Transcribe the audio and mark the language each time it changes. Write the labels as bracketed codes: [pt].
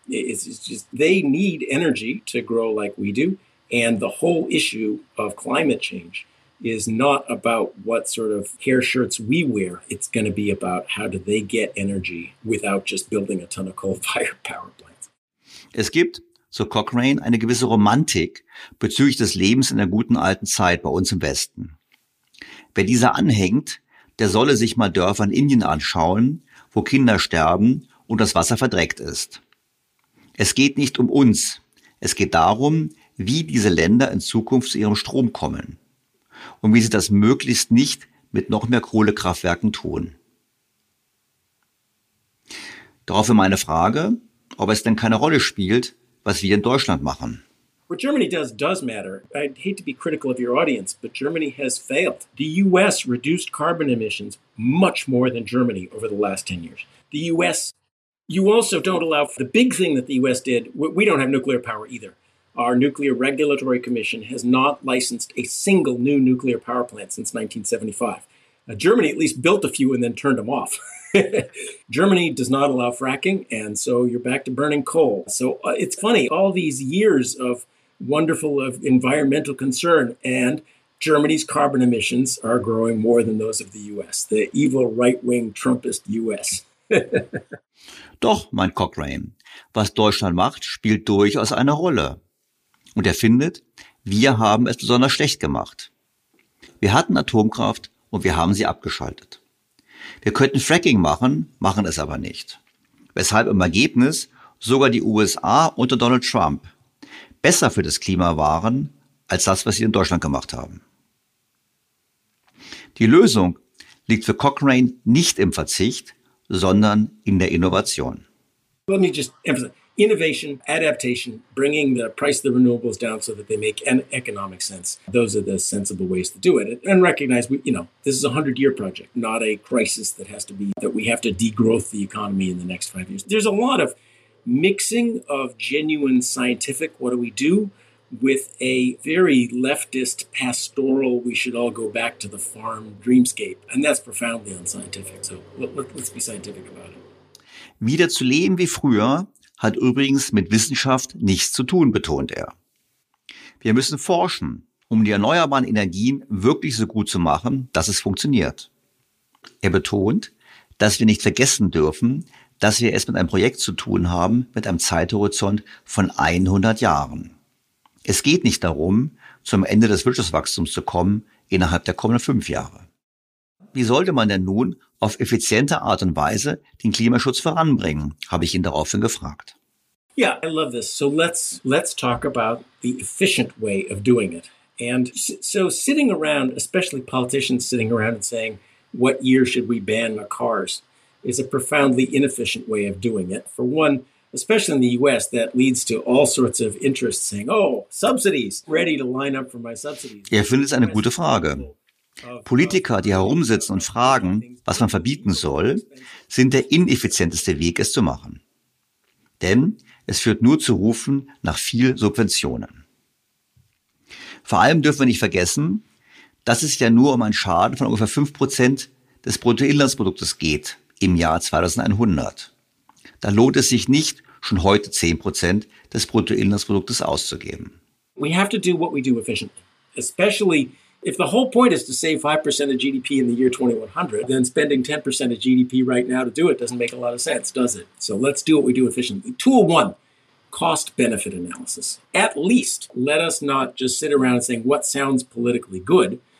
[en] It's just, they need energy to grow like we do. And the whole issue of climate change is not about what sort of hair shirts we wear. It's going to be about how do they get energy without just building a ton of coal-fired power plants. [de] Es gibt, so Cochrane, eine gewisse Romantik bezüglich des Lebens in der guten alten Zeit bei uns im Westen. Wer dieser anhängt, der solle sich mal Dörfer in Indien anschauen, wo Kinder sterben und das Wasser verdreckt ist. Es geht nicht um uns. Es geht darum, wie diese Länder in Zukunft zu ihrem Strom kommen. Und wie sie das möglichst nicht mit noch mehr Kohlekraftwerken tun. Daraufhin meine Frage, ob es denn keine Rolle spielt, was wir in Deutschland machen. [en] What Germany does matter. I hate to be critical of your audience, but Germany has failed. The US reduced carbon emissions much more than Germany over the last 10 years. The US, you also don't allow for the big thing that the US did, we don't have nuclear power either. Our Nuclear Regulatory Commission has not licensed a single new nuclear power plant since 1975. Now, Germany at least built a few and then turned them off. Germany does not allow fracking, and so you're back to burning coal. So it's funny, all these years of wonderful of environmental concern, and Germany's carbon emissions are growing more than those of the U.S., the evil right-wing Trumpist U.S. [de] Doch, meint Cochrane, was Deutschland macht, spielt durchaus eine Rolle. Und er findet, wir haben es besonders schlecht gemacht. Wir hatten Atomkraft und wir haben sie abgeschaltet. Wir könnten Fracking machen, machen es aber nicht. Weshalb im Ergebnis sogar die USA unter Donald Trump besser für das Klima waren, als das, was sie in Deutschland gemacht haben. Die Lösung liegt für Cochrane nicht im Verzicht, sondern in der Innovation. [en] Let me just emphasize. Innovation, adaptation, bringing the price of the renewables down so that they make an economic sense. Those are the sensible ways to do it. And recognize, this is a 100-year project, not a crisis that has to be, that we have to degrowth the economy in the next 5 years. There's a lot of mixing of genuine scientific, what do we do, with a very leftist pastoral, we should all go back to the farm dreamscape. And that's profoundly unscientific. So let's be scientific about it. [de] Wieder zu leben wie früher hat übrigens mit Wissenschaft nichts zu tun, betont er. Wir müssen forschen, um die erneuerbaren Energien wirklich so gut zu machen, dass es funktioniert. Er betont, dass wir nicht vergessen dürfen, dass wir es mit einem Projekt zu tun haben, mit einem Zeithorizont von 100 Jahren. Es geht nicht darum, zum Ende des Wirtschaftswachstums zu kommen, innerhalb der kommenden 5 Jahre. Wie sollte man denn nun auf effiziente Art und Weise den Klimaschutz voranbringen, habe ich ihn daraufhin gefragt. [en] Yeah, I love this. So let's talk about the efficient way of doing it. And so sitting around, especially politicians sitting around and saying, what year should we ban our cars, is a profoundly inefficient way of doing it. For one, especially in the US, that leads to all sorts of interests saying, oh, subsidies, ready to line up for my subsidies. [de] Er findet es eine gute Frage. Politiker, die herumsitzen und fragen, was man verbieten soll, sind der ineffizienteste Weg, es zu machen. Denn es führt nur zu Rufen nach viel Subventionen. Vor allem dürfen wir nicht vergessen, dass es ja nur um einen Schaden von ungefähr 5% des Bruttoinlandsproduktes geht im Jahr 2100. Da lohnt es sich nicht, schon heute 10% des Bruttoinlandsproduktes auszugeben. [en] We have to do what we do efficiently, especially if the whole point is to save 5% of GDP in the year 2100, then spending 10% of GDP right now to do it doesn't make a lot of sense, does it? So let's do what we do efficiently. Tool one, cost-benefit analysis. At least let us not just sit around saying what sounds politically good.